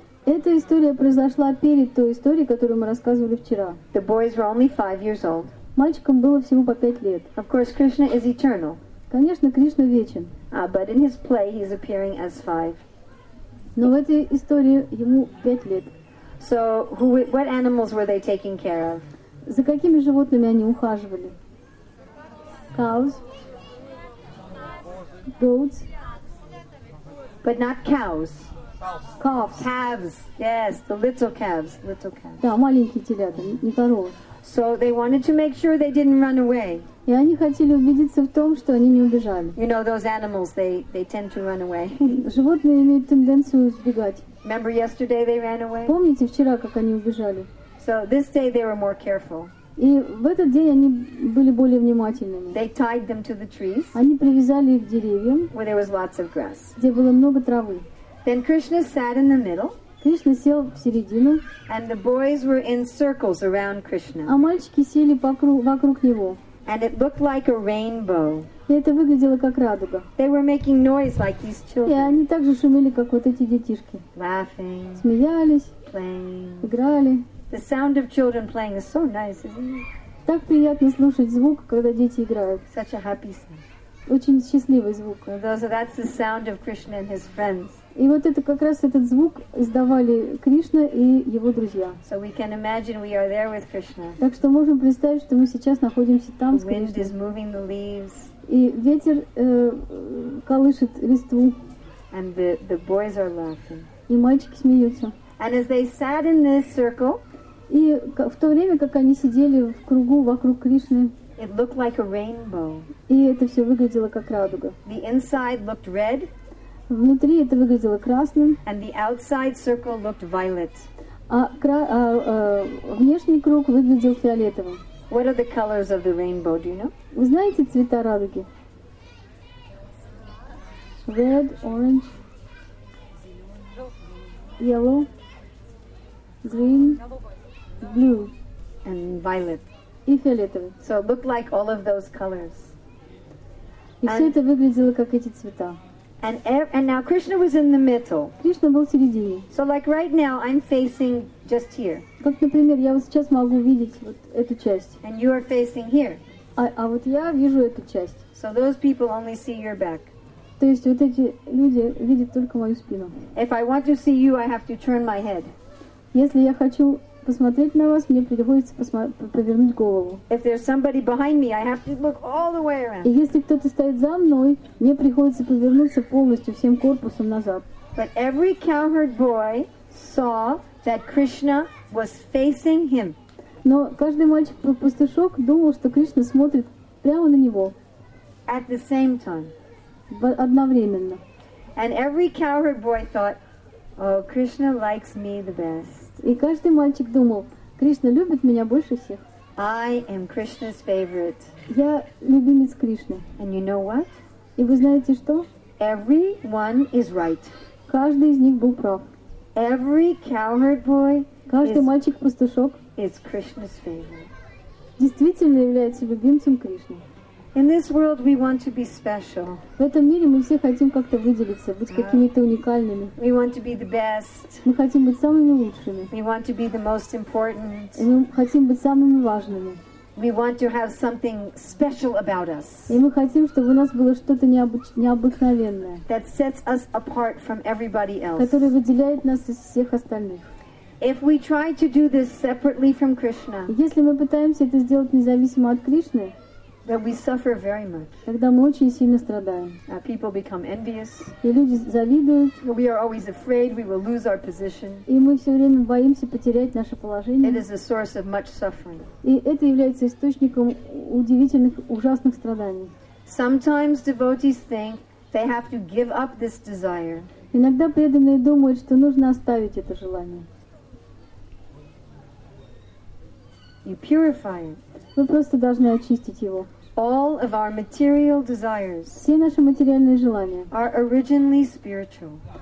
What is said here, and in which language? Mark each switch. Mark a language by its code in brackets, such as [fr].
[ru] Эта история произошла перед той историей, которую мы рассказывали вчера. [en] The boys were only 5 years old. [ru] Мальчикам было всего по 5 лет. [en] Of course, Krishna is eternal. [ru] Конечно, Кришна вечен. [en] But in his play, he's appearing as 5. [ru] Но в этой истории ему 5 лет. [en] So, what animals were they taking care of? [ru] За какими животными они ухаживали? [en] Cows. Goats. But not cows. Calves. Calves, yes, the little calves. [ru] Да, маленькие телята, не коровы. [en] So they wanted to make sure they didn't run away. [ru] И они хотели убедиться в том, что они не убежали. [en] You know those animals, they tend to run away. [ru] Животные имеют тенденцию сбегать. [en] Remember yesterday they ran away? [ru] Помните вчера, как они убежали? [en] So this day they were more careful. [ru] И в этот день они были более внимательными. [en] They tied them to the trees. [ru] Они привязали их к деревьям. [en] Where there was lots of grass. [ru] Где было много травы. [en] Then Krishna sat in the middle. [ru] Кришна сел в середину. [en] And the boys were in circles around Krishna. [ru] А мальчики сели вокруг него. [en] And it looked like a rainbow. [ru] И это выглядело как радуга. [en] They were making noise like these children. [ru] И они также шумели, как вот эти детишки. [en] Laughing. [ru] Смеялись. [en] Playing. [ru] Играли. [en] The sound of children playing is so nice, isn't it? [ru] Так приятно слушать звук, когда дети играют. [en] Such a happy sound. [ru] Очень счастливый звук. [en] So that's the sound of Krishna and his friends. [ru] И вот это как раз этот звук издавали Кришна и его друзья. [en] So we can imagine we are there with Krishna. [ru] Так что можем представить, что мы сейчас находимся там с Кришной. [en] Wind is moving the leaves. [ru] И ветер колышет листву. [en] And the boys are laughing. [ru] И мальчики смеются. [en] And as they sat in this circle, [ru] и в то время, как они сидели в кругу вокруг Кришны, [en] it looked like a rainbow. [ru] И это все выглядело как радуга. [en] The inside looked red. [ru] Внутри это выглядело красным. [en] And the outside circle looked violet. [ru] Внешний круг выглядел фиолетовым. [en] What are the colors of the rainbow, do you know? [ru] Вы знаете цвета радуги? [en] Red, orange, yellow, green, blue, and violet. [ru] И фиолетовый. [en] So it looked like all of those colors. [ru] И все это выглядело как эти цвета. [en] And now Krishna was in the middle. [ru] Кришна был в середине. [en] So like right now I'm facing just here. [ru] Как, например, я вот сейчас могу видеть вот эту часть. [en] And you are facing here. [ru] А вот я вижу эту часть. [en] So those people only see your back. [ru] То есть вот эти люди видят только мою спину. [en] If I want to see you, I have to turn my head. [ru] Если я хочу посмотреть на вас, мне приходится повернуть голову. [en] If there's somebody behind me, I have to look all the way around. [ru] И если кто-то стоит за мной, мне приходится повернуться полностью всем корпусом назад. [en] But every cowherd boy saw that Krishna was facing him. [ru] Но каждый мальчик-пастушок думал, что Кришна смотрит прямо на него. [en] At the same time. [ru] Одновременно. [en] And every cowherd boy thought, oh, Krishna likes me the best. [ru] И каждый мальчик думал, Кришна любит меня больше всех. [en] I am Krishna's favorite. [ru] Я любимец Кришны. [en] And you know what? [ru] И вы знаете что? [en] Everyone is right. [ru] Каждый из них был прав. [en] Every cowherd boy [ru] каждый мальчик-пастушок [en] is Krishna's favorite. [ru] Действительно является любимцем Кришны. [en] In this world we want to be special. [ru] В этом мире мы все хотим как-то выделиться, быть какими-то уникальными. [en] We want to be the best. [ru] Мы хотим быть самыми лучшими. [en] We want to be the most important. [ru] И мы хотим быть самыми важными. [en] We want to have something special about us. [ru] И мы хотим, чтобы у нас было что-то необыкновенное. [en] That sets us apart from everybody else. [ru] Которое выделяет нас из всех остальных. [en] If we try to do this separately from Krishna. [ru] Если мы пытаемся это сделать независимо от Кришны, [en] then we suffer very much. [ru] Тогда мы очень сильно страдаем. [en] People become envious. [ru] И люди завидуют. [en] We are always afraid we will lose our position. [ru] И мы все время боимся потерять наше положение. [en] It is a source of much suffering. [ru] И это является источником удивительных, ужасных страданий. [en] Sometimes devotees think they have to give up this desire. [ru] Иногда преданные думают, что нужно оставить это желание. [en] You purify it. [ru] Вы просто должны очистить его. [en] All of our material desires. [ru] Все наши материальные желания. [en] Are originally spiritual.